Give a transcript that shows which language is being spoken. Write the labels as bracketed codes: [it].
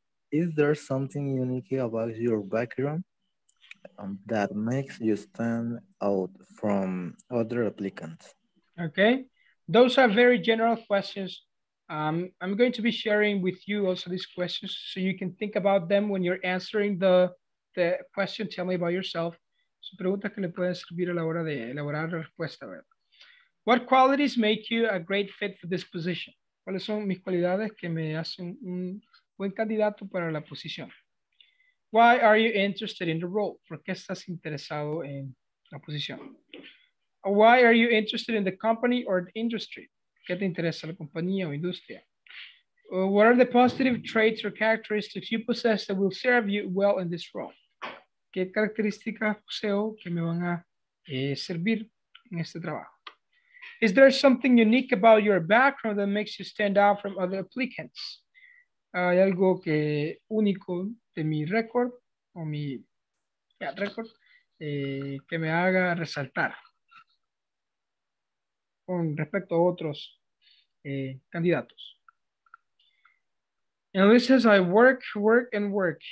[en] Is there something unique about your background that makes you stand out from other applicants? Okay, those are very general questions. I'm going to be sharing with you also these questions so you can think about them when you're answering the question, tell me about yourself. [es] Son preguntas que le pueden servir a la hora de elaborar la respuesta. [en] What qualities make you a great fit for this position? [es] ¿Cuáles son mis cualidades que me hacen un buen candidato para la posición? [en] Why are you interested in the role? [es] ¿Por qué estás interesado en la posición? [en] Why are you interested in the company or the industry? [es] ¿Qué te interesa, la compañía o industria? [en] What are the positive traits or characteristics you possess that will serve you well in this role? [es] ¿Qué características poseo que me van a servir en este trabajo? [en] Is there something unique about your background that makes you stand out from other applicants? [es] ¿Hay algo que único de mi récord o mi récord que me haga resaltar con respecto a otros candidatos? [en] And this says I work, work, and work.